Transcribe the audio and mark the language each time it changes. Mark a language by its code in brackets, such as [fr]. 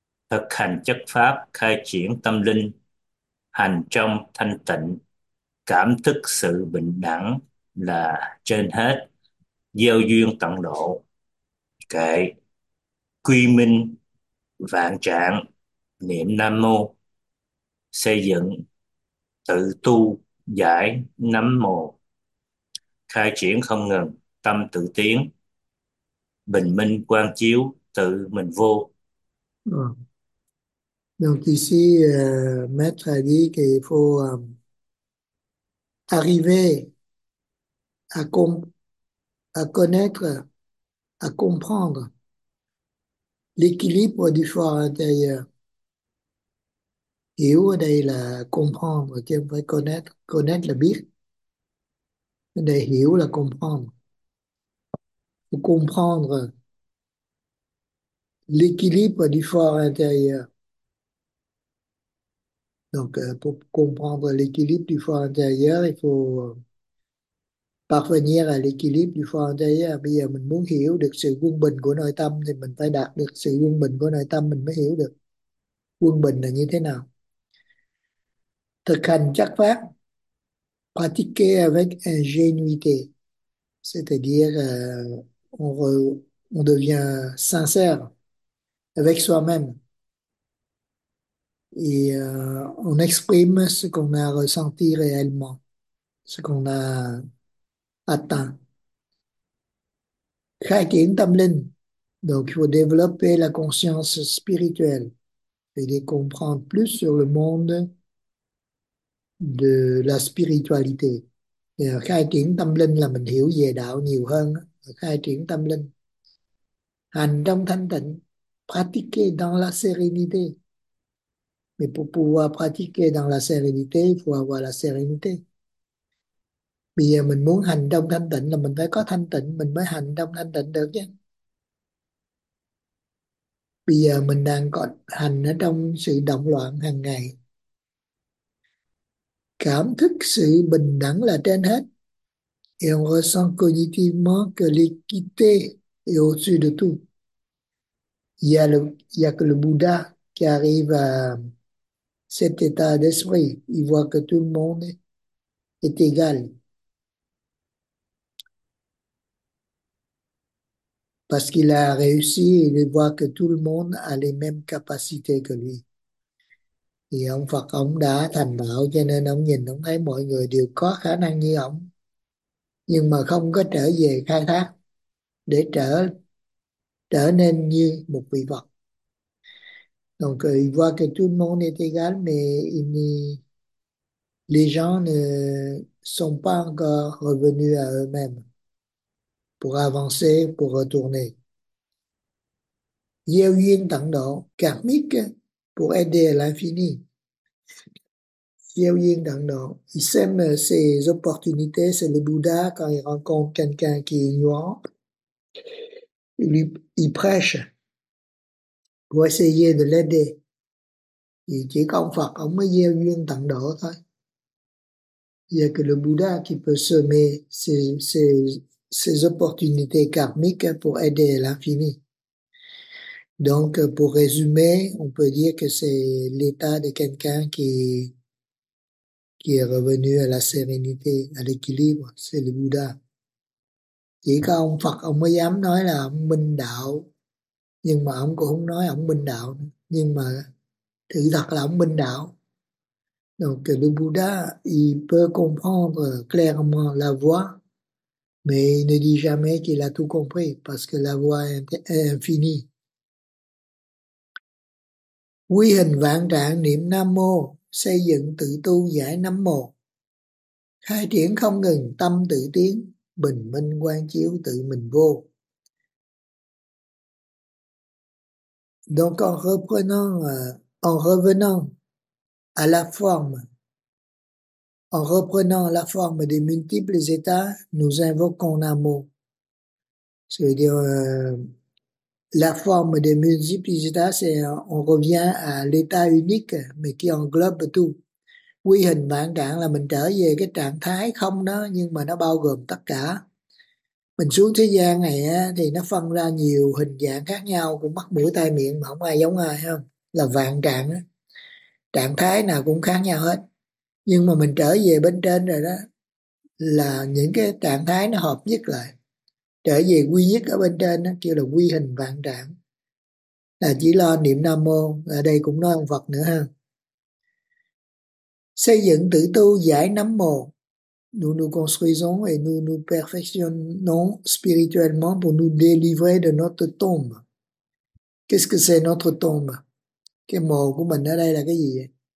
[vi] Thực hành chất pháp khai triển tâm linh, hành trong thanh tịnh, cảm thức sự bình đẳng là trên hết, gieo duyên tận độ, kệ, quy minh, vạn trạng, niệm Nam Mô, xây dựng, tự tu, giải nấm mồ, khai triển không ngừng tâm tự tiến, bình minh quang chiếu tự mình vô. [fr] Donc ici, Maître a dit qu'il faut arriver à connaître, à comprendre l'équilibre du fort intérieur. [vi] Hiểu ở đây là comprendre, chứ không phải connaître. Connaître là biết. Đây hiểu là comprendre. [fr] Pour comprendre l'équilibre du fort intérieur. Donc, pour comprendre l'équilibre du fort intérieur, il faut parvenir à l'équilibre du fond. [vi] Bây giờ mình muốn hiểu được sự quân bình của nội tâm thì mình phải đạt được sự quân bình của nội tâm mình mới hiểu được quân bình là như thế nào. Thực hành chất pháp, [fr] pratiquer avec ingénuité, c'est-à-dire on devient sincère avec soi-même et on exprime ce qu'on a ressenti réellement, ce qu'on a atteint. [vi] Khai triển tâm linh, [fr] donc il faut développer la conscience spirituelle et comprendre plus sur le monde de la spiritualité. [vi] Khai triển tâm linh là mình hiểu về đạo nhiều hơn, khai triển tâm linh. Hành trong thanh tịnh, [fr] pratiquer dans la sérénité. Mais pour pouvoir pratiquer dans la sérénité, il faut avoir la sérénité. [vi] Bây giờ mình muốn hành trong thanh tịnh là mình phải có thanh tịnh, mình mới hành trong thanh tịnh được chứ. Bây giờ mình đang có hành ở trong sự động loạn hàng ngày. Cảm thức sự bình đẳng là trên hết. [fr] Et on ressent cognitivement que l'équité est au-dessus de tout. Il y a que le Bouddha qui arrive à cet état d'esprit. Il voit que tout le monde est égal. Parce qu'il a réussi, il voit que tout le monde a les mêmes capacités que lui. [vi] Thì ông Phật ông đã thành đạo cho nên ông nhìn ông thấy mọi người đều có khả năng như ông. Nhưng mà không có trở về khai thác để trở trở nên như một vị Phật. [fr] Donc il voit que tout le monde est égal mais les gens ne sont pas encore revenus à eux-mêmes pour avancer, pour retourner. [vi] Gieo duyên tận độ, [fr] karmique pour aider à l'infini. [vi] Gieo duyên tận độ, [fr] il sème ses opportunités, c'est le Bouddha quand il rencontre quelqu'un qui est ignorant. Il prêche pour essayer de l'aider. [vi] Il chỉ có ông Phật, ông mới gieo duyên tận độ thôi. [fr] Il n'y a que le Bouddha qui peut semer ses opportunités karmiques pour aider à l'infini. Donc, pour résumer, on peut dire que c'est l'état de quelqu'un qui est revenu à la sérénité, à l'équilibre, c'est le Bouddha. [vi] Chỉ có ông Phật, ông mới dám nói là ông minh đạo, nhưng mà ông cũng không nói ông minh đạo, nhưng mà thực thật là ông minh đạo. [fr] Donc, le Bouddha, il peut comprendre clairement la voie, mais il ne dit jamais qu'il a tout compris, parce que la voie est infinie. [vi] Quy hình vạn trạng niệm Nam Mô, xây dựng tự tu giải năm mồ. Khai triển không ngừng tâm tự tiến, bình minh quang chiếu tự mình vô. [fr] Donc en revenant à la forme, en reprenant la forme des multiples états, nous invoquons Nam Mô. C'est-à-dire, la forme des multiples états, c'est on revient à l'état unique, mais qui englobe tout. [vi] Quy hình vạn trạng là mình trở về cái trạng thái không đó, nhưng mà nó bao gồm tất cả. Mình xuống thế gian này á, thì nó phân ra nhiều hình dạng khác nhau, cũng mắt mũi tai miệng mà không ai giống ai, không là vạn trạng á. Trạng thái nào cũng khác nhau hết, nhưng mà mình trở về bên trên rồi đó, là những cái trạng thái nó hợp nhất lại, trở về quy nhất ở bên trên đó, kêu là quy hình vạn trạng, là chỉ lo niệm Nam Mô. Ở đây cũng nói ông Phật nữa ha. Xây dựng tự tu giải nấm mồ. [fr] Nous nous construisons et nous nous perfectionnons spirituellement pour nous délivrer de notre tombe. Qu'est-ce que c'est notre tombe? [vi] Cái mồ của mình ở đây là cái gì?